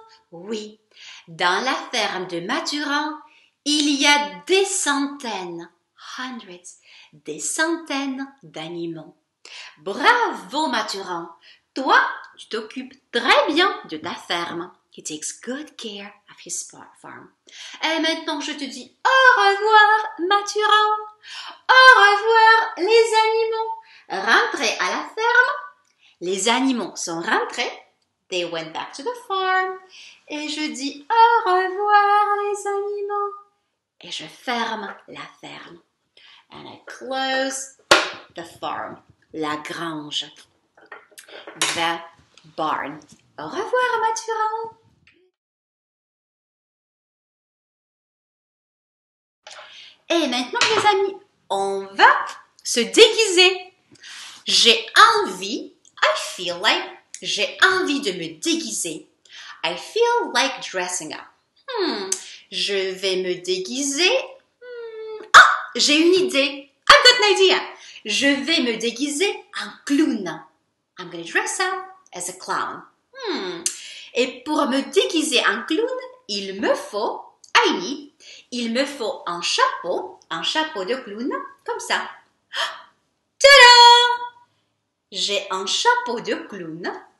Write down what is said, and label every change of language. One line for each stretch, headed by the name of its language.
French: Oui, dans la ferme de Mathurin, il y a des centaines, hundreds, des centaines d'animaux. Bravo Mathurin, toi, tu t'occupes très bien de ta ferme.
English: He takes good care of his farm.
French: Et maintenant, je te dis au revoir Mathurin. Au revoir les animaux. Rentrez à la ferme. Les animaux sont rentrés.
English: They went back to the farm.
French: Et je dis au revoir les animaux. Et je ferme la ferme.
English: And I close the farm.
French: La grange.
English: The barn.
French: Au revoir Mathurin. Et maintenant les amis, on va se déguiser. J'ai envie.
English: I feel like.
French: J'ai envie de me déguiser.
English: I feel like dressing up.
French: Je vais me déguiser. Ah, j'ai une idée.
English: I've got an idea.
French: Je vais me déguiser en clown.
English: I'm going to dress up as a clown.
French: Et pour me déguiser en clown, il me faut,
English: I need,
French: il me faut un chapeau de clown, comme ça. Ta-da! J'ai un chapeau de clown.